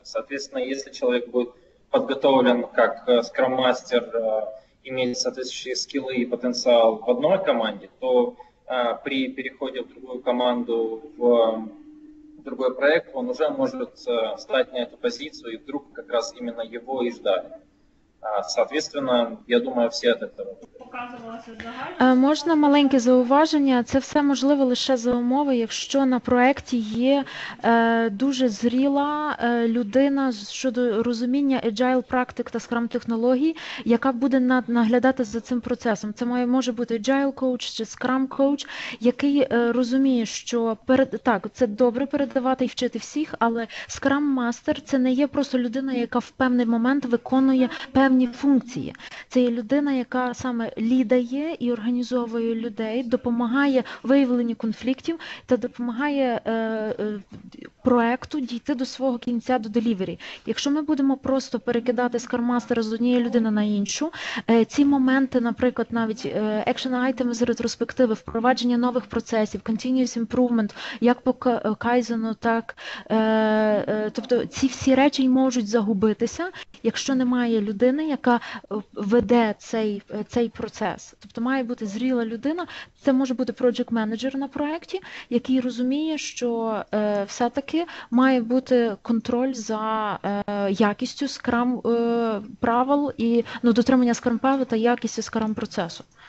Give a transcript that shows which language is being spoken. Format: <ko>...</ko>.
<ru>Соответственно, если человек будет подготовлен как скрам-мастер, имеет соответствующие скиллы и потенциал в одной команде, то при переходе в другую команду, в другой проект, он уже может встать на эту позицию, и вдруг как раз именно его и ждали. Соответственно, я думаю, все от этого.</ru> <uk>Можна маленьке зауваження. Це все можливо лише за умови, якщо на проєкті є дуже зріла людина щодо розуміння agile практик та скрам технологій, яка буде наглядати за цим процесом. Це може бути agile coach чи scrum coach, який розуміє, що це добре передавати і вчити всіх, але scrum master це не є просто людина, яка в певний момент виконує певні функції. Це є людина, яка саме лідає і організовує людей, допомагає виявленню конфліктів та допомагає проекту дійти до свого кінця, до delivery. Якщо ми будемо просто перекидати скармастера з однієї людини на іншу, ці моменти, наприклад, навіть action item з ретроспективи, впровадження нових процесів, continuous improvement, як по кайзену, так, тобто ці всі речі можуть загубитися, якщо немає людини, яка веде цей процес. Тобто має бути зріла людина, це може бути project manager на проєкті, який розуміє, що все-таки має бути контроль за якістю скрам правил і дотримання скрам правил та якістю скрам процесу.</uk>